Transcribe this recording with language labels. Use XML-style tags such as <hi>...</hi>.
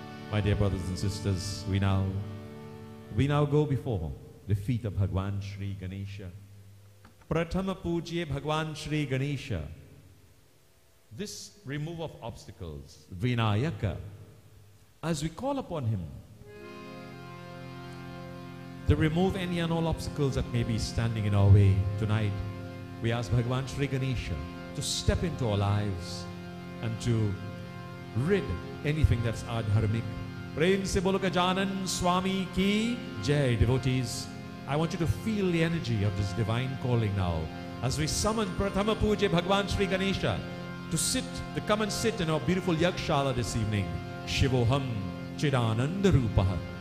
<en>my dear brothers and sisters we now go before the feet of Bhagwan Shri Ganesh</en> <hi>Pratham Pujiye Bhagwan Shri Ganesha.</hi> <en>This remove of obstacles, Vinayaka, as we call upon him to remove any and all obstacles that may be standing in our way tonight, we ask Bhagwan Shri Ganesha to step into our lives and to rid anything that's adharmic.</en> <hi>Prem se bolo Gajanan Swami ki jai devotees.</hi> <en>I want you to feel the energy of this divine calling now as we summon Prathama Pujiye Bhagwan Shri Ganesha to come and sit in our beautiful Yakshala this evening.</en> <sa>Shivoham Chidananda Rupaha.</sa>